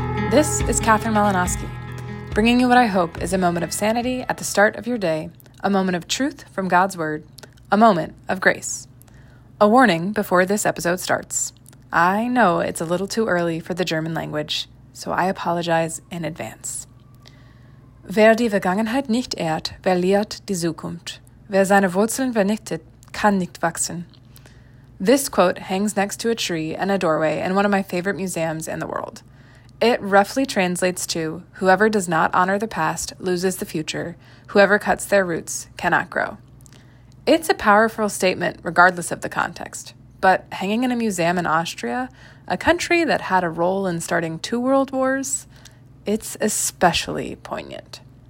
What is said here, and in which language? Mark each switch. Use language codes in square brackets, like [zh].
[en] This is Catherine Malinowski, bringing you what I hope is a moment of sanity at the start of your day, a moment of truth from God's Word, a moment of grace. A warning before this episode starts. I know it's a little too early for the German language, so I apologize in advance. [de] Wer die Vergangenheit nicht ehrt, verliert die Zukunft. Wer seine Wurzeln vernichtet, kann nicht wachsen. [en] This quote hangs next to a tree and a doorway in one of my favorite museums in the world. It roughly translates to, whoever does not honor the past loses the future, whoever cuts their roots cannot grow. It's a powerful statement regardless of the context, but hanging in a museum in Austria, a country that had a role in starting two world wars, it's especially poignant.